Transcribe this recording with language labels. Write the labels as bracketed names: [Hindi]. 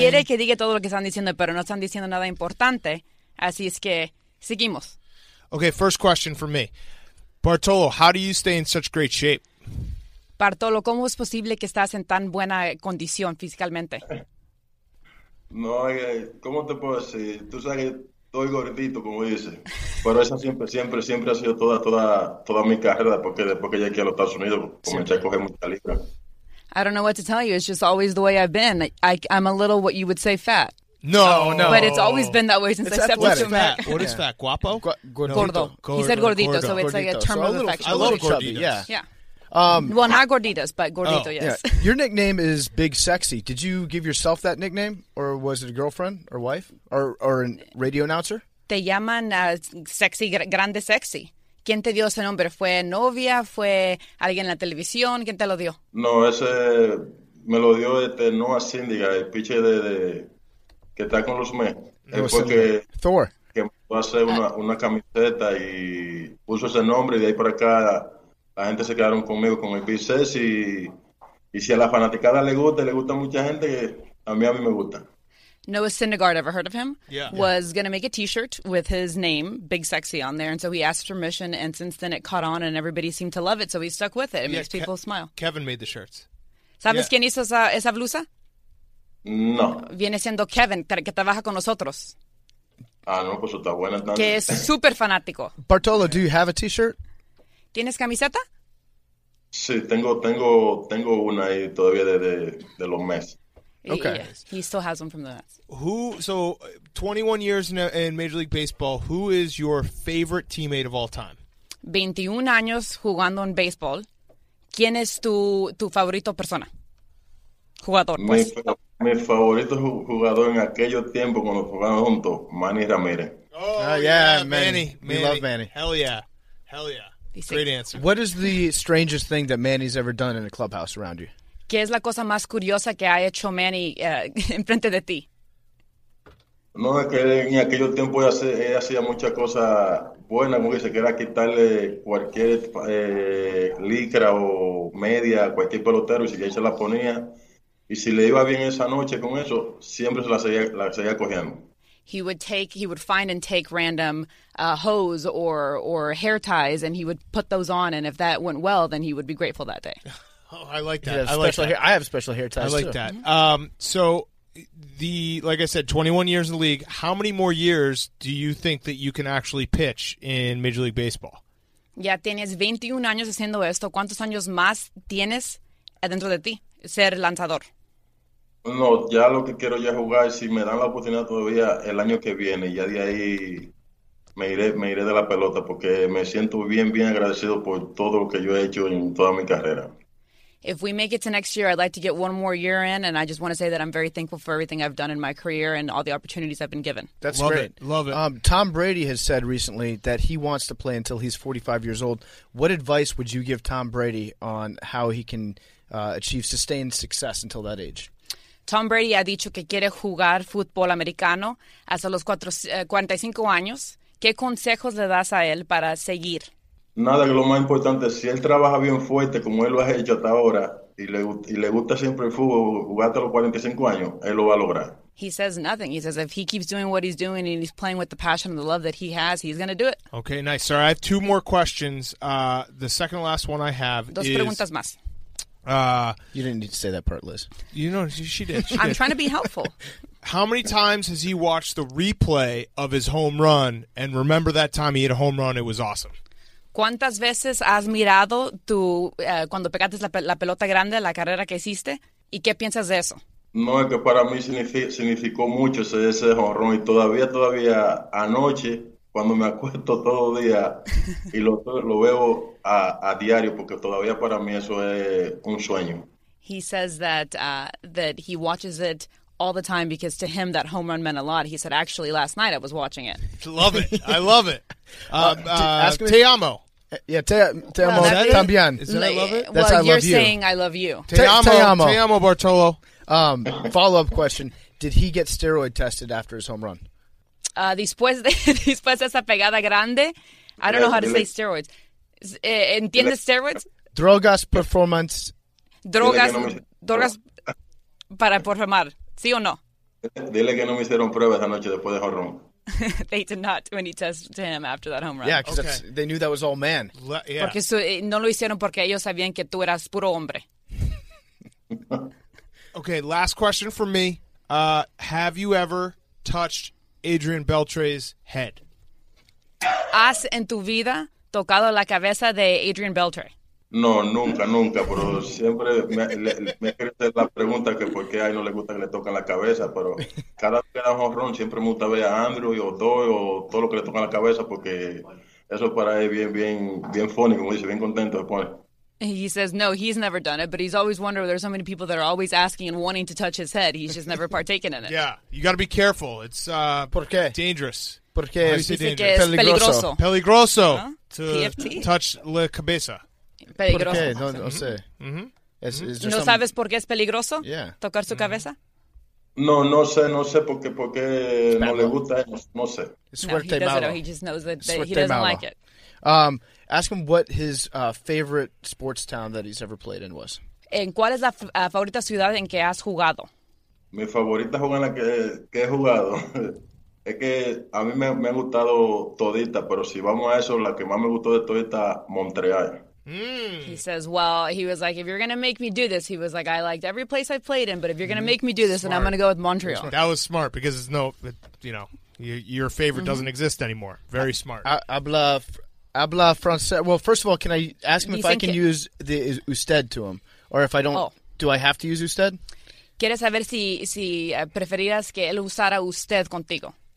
[Spanish] Quiere que diga todo lo que están diciendo, pero no están diciendo nada importante. Así es que seguimos. [English] Okay, first question for me. Bartolo, how do you stay in such great shape? [Spanish] Bartolo, ¿cómo es posible que estás en tan buena condición físicamente? No, ¿cómo te puedo decir? Tú sabes que estoy gordito, como dices. Pero eso siempre ha sido toda mi carrera, porque después que llegué a los Estados Unidos, comencé a coger mucha libra. [English] I don't know what to tell you. It's just always the way I've been. I'm a little what you would say fat. No. But it's always been that way since it's I stepped into fat. What is fat? Guapo? [Spanish] Gordo. [English] He said gordito, so it's like a term of affection. I love gorditas. Yeah. Well, not gorditas, but gordito, yes. Yeah. Your nickname is Big Sexy. Did you give yourself that nickname, or was it a girlfriend or wife or a radio announcer? [Spanish] Te llaman Sexy, Grande Sexy. ¿Quién te dio ese nombre? ¿Fue novia? ¿Fue alguien en la televisión? ¿Quién te lo dio? No, ese me lo dio Noah Syndicate, el piche de que está con los Mets. Thor. Que va a hacer una camiseta y puso ese nombre y de ahí por acá... La gente se quedaron conmigo con el BCS y si a la fanaticada le gusta mucha gente, a mí me gusta. [English] Noah Syndergaard, ever heard of him? Yeah. Was going to make a t-shirt with his name, Big Sexy, on there. And so he asked permission, and since then it caught on and everybody seemed to love it. So he stuck with it. It makes people smile. Kevin made the shirts. [Spanish] ¿Sabes quién hizo esa blusa? No. Viene siendo Kevin, que trabaja con nosotros. Ah, no, pues está buena. Entonces. Que es súper fanático. [English] Bartolo, do you have a t-shirt? [Spanish] ¿Tienes camiseta? Sí, tengo una ahí todavía de los Mets. [English] Okay. Yeah, he still has one from the Mets. So, 21 years in Major League Baseball, who is your favorite teammate of all time? [Spanish] 21 años jugando en baseball. ¿Quién es tu favorito persona? Jugador. Mi favorito jugador en aquellos tiempos cuando jugaban juntos, Manny Ramírez. [English] Manny. We love Manny. Hell yeah. Great answer. What is the strangest thing that Manny's ever done in a clubhouse around you? [Spanish] ¿Qué es la cosa más curiosa que ha hecho Manny en frente de ti? No, es que en aquel tiempo él hacía muchas cosas buenas, como dice, que era quitarle cualquier licra o media a cualquier pelotero y si ya se la ponía. Y si le iba bien esa noche con eso, siempre se la seguía cogiendo. [English] He would find and take random hose or hair ties, and he would put those on. And if that went well, then he would be grateful that day. Oh, I like that. I have special hair ties. I like too. That. Mm-hmm. Like I said, 21 years in the league. How many more years do you think that you can actually pitch in Major League Baseball? [Spanish] Ya tienes 21 años haciendo esto. ¿Cuántos años más tienes adentro de ti ser lanzador? No, ya lo que quiero ya jugar, si me dan la oportunidad todavía el año que viene, ya de ahí me iré de la pelota porque me siento bien, bien agradecido por todo lo que yo he hecho en toda mi carrera. [English] If we make it to next year, I'd like to get one more year in, and I just want to say that I'm very thankful for everything I've done in my career and all the opportunities I've been given. That's love great. It. Love it. Tom Brady has said recently that he wants to play until he's 45 years old. What advice would you give Tom Brady on how he can achieve sustained success until that age? [Spanish] Tom Brady ha dicho que quiere jugar fútbol americano hasta los 45 años. ¿Qué consejos le das a él para seguir? Nada, que lo más importante, si él trabaja bien fuerte como él lo ha hecho hasta ahora y le gusta siempre el fútbol, jugar hasta los 45 años, él lo va a lograr. [English] He says nothing. He says if he keeps doing what he's doing and he's playing with the passion and the love that he has, he's going to do it. Okay, nice. Sorry, I have two more questions. The second and last one I have [Spanish] dos [English] is... [Spanish] Dos preguntas más. [English] You didn't need to say that part, Liz. You know, she did. I'm trying to be helpful. How many times has he watched the replay of his home run and remember that time he hit a home run? It was awesome. [Spanish] ¿Cuántas veces has mirado tu cuando pegaste la pelota grande, la carrera que hiciste? ¿Y qué piensas de eso? No, es que para mí significó mucho ese home run. Y todavía anoche, cuando me acuesto todo día y lo veo a diario, porque todavía para mí eso es un sueño. [English] He says that that he watches it all the time because to him that home run meant a lot. He said, actually, last night I was watching it. Love it. I love it. Ask me. [Spanish] Te amo. [English] Yeah, [Spanish] te amo. [English] Well, that [Spanish] también. [English] Is that I love it? That's well, I love you're you. Saying I love you. [Spanish] Te amo, Bartolo. [English] Follow-up question. Did he get steroid tested after his home run? [Spanish] Después de esa pegada grande, [English] I don't know how to say steroids. [Spanish] ¿Entiendes steroids? Drogas performance. Drogas para performar. ¿Sí o no? Dile que no me hicieron pruebas anoche después de home run. [English] They did not when he tested him after that home run. Yeah, because okay. They knew that was all man. Yeah. [Spanish] Porque no lo hicieron porque ellos sabían que tú eras puro hombre. [English] Okay, last question for me. Have you ever touched Adrian Beltre's head? [Spanish] ¿Has en tu vida tocado la cabeza de Adrian Beltre? No, nunca, pero siempre me hace la pregunta que por qué a él no le gusta que le toquen la cabeza, pero cada vez que da un jonrón siempre me gusta ver a Andrew y Odoy o todo lo que le toca la cabeza porque eso para él bien funny, como dice, bien contento después. [English] He says no, he's never done it, but he's always wondering, there's so many people that are always asking and wanting to touch his head, he's just never partaken in it. Yeah, you got to be careful. It's [Spanish] ¿por qué? [English] Dangerous. [Spanish] Porque es peligroso. Peligroso [English] to PFT. Touch [Spanish] la cabeza. Peligroso. ¿Por qué? No sé. Mm-hmm. ¿No sabes por qué es peligroso tocar su cabeza? No sé porque no le gusta, no sé. Suerte malo. [English] He just knows that he doesn't like it. Ask him what his favorite sports town that he's ever played in was. ¿En cuál es la favorita ciudad en que has jugado? Mi favorita jugada en la que he jugado. Es que a mí me ha gustado todita, pero si vamos a eso, la que más me gustó de todita, Montreal. He says, well, he was like, if you're going to make me do this, he was like, I liked every place I played in, but if you're going to make me do this, smart. Then I'm going to go with Montreal. That was smart because it's your favorite doesn't exist anymore. Very smart. [Spanish] Habla francés. [English] Well, first of all, can I ask him if I can use the usted to him? Or if I don't, do I have to use usted? [Spanish] ¿Quieres saber si preferirás que él usara usted contigo?